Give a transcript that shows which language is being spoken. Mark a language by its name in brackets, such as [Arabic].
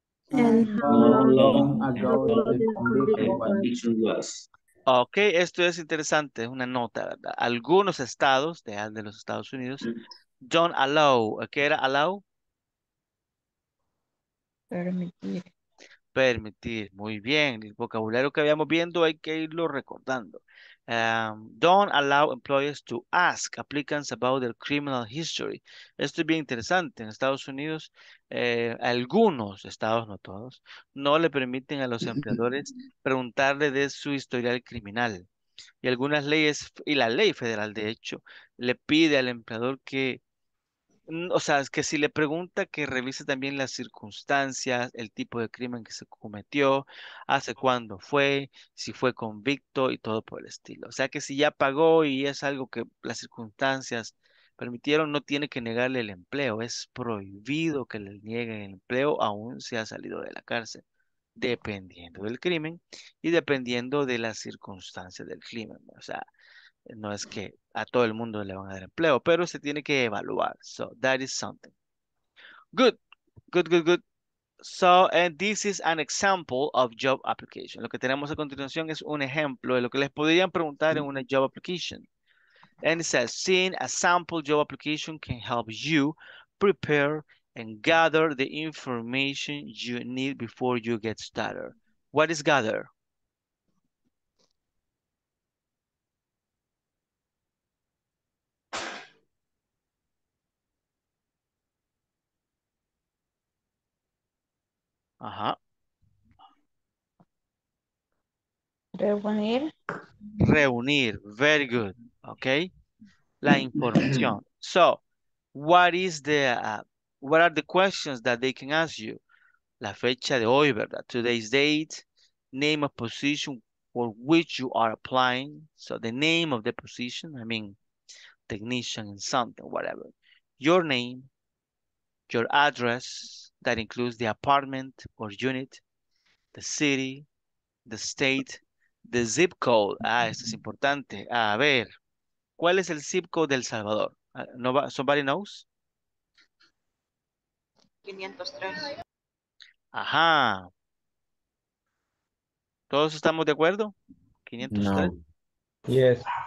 [Spanish] Okay, esto es interesante, es una nota, ¿verdad? Algunos estados de los Estados Unidos [English] don't allow. [Spanish] ¿Qué era allow? Permitir. Permitir, muy bien. El vocabulario que habíamos viendo hay que irlo recordando. [English] Don't allow employers to ask applicants about their criminal history. [Spanish] Esto es bien interesante. En Estados Unidos, algunos estados, no todos, no le permiten a los empleadores preguntarle de su historial criminal. Y algunas leyes, y la ley federal, de hecho, le pide al empleador que, o sea, es que si le pregunta, que revise también las circunstancias, el tipo de crimen que se cometió, hace cuándo fue, si fue convicto y todo por el estilo. O sea, que si ya pagó y es algo que las circunstancias permitieron, no tiene que negarle el empleo. Es prohibido que le nieguen el empleo aún si ha salido de la cárcel, dependiendo del crimen y dependiendo de las circunstancias del crimen. O sea, no es que a todo el mundo le van a dar empleo, pero se tiene que evaluar. [English] So, that is something. Good, good, good, good. So, and this is an example of job application. [Spanish] Lo que tenemos a continuación es un ejemplo de lo que les podrían preguntar en una job application. [English] And it says, seeing a sample job application can help you prepare and gather the information you need before you get started. What is gather? Ajá. [Spanish] Reunir. Reunir. [English] Very good. [Spanish] Okay. La información. [English] So, what are the questions that they can ask you? [Spanish] La fecha de hoy, ¿verdad? [English] Today's date. Name of position for which you are applying. So, the name of the position. I mean, technician and something, whatever. Your name. Your address. That includes the apartment or unit, the city, the state, the zip code. [Spanish] Ah, esto es importante. A ver, ¿cuál es el zip code del Salvador? [English] Somebody knows? 503. Ajá. [Spanish] ¿Todos estamos de acuerdo? 503. No. [English] Yes.